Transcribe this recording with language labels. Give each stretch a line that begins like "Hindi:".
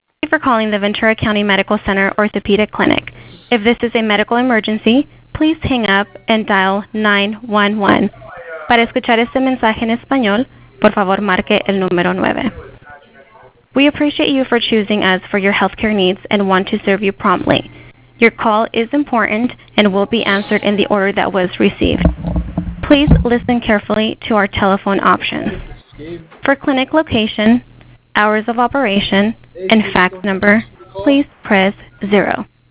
English: for calling the Ventura County Medical Center Orthopedic Clinic. If this is a medical emergency, please hang up and dial 911.
Spanish: Para escuchar este mensaje en español, por favor marque el número 9.
English: We appreciate you for choosing us for your healthcare needs and want to serve you promptly. Your call is important and will be answered in the order that was received. Please listen carefully to our telephone options. For clinic location, hours of operation, and fax number, please press 0.